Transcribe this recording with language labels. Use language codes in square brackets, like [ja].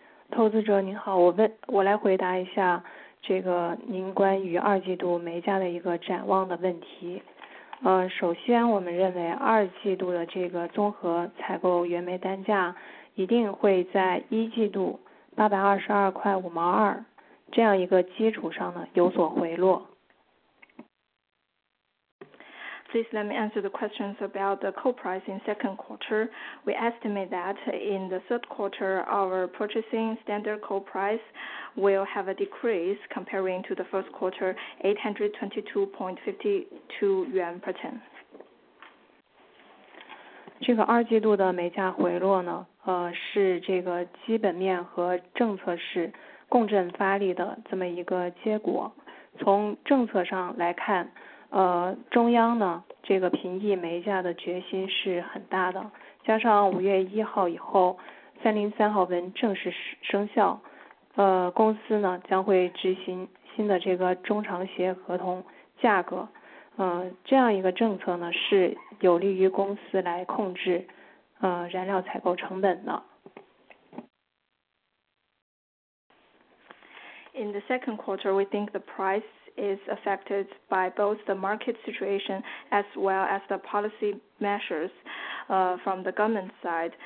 [zh] 投资者您好，我来回答一下这个您关于二季度煤价的一个展望的问题。首先我们认为二季度的这个综合采购原煤单价一定会在一季度822.52这样一个基础上呢有所回落。 [en] Please let me answer the questions about the coal price in second quarter. We estimate that in the third quarter, our purchasing standard coal price will have a decrease comparing to the first quarter, 822.52 yuan per ton. [zh] 这个二季度的煤价回落呢，是这个基本面和政策是共振发力的这么一个结果。从政策上来看，中央呢这个平抑煤价的决心是很大的，加上五月一号以后303号文正式生效，公司呢将会执行新的这个中长协合同价格，这样一个政策呢是有利于公司来控制燃料采购成本的。 [en] In the second quarter, we think the price is affected by both the market situation as well as the policy measures from the government side.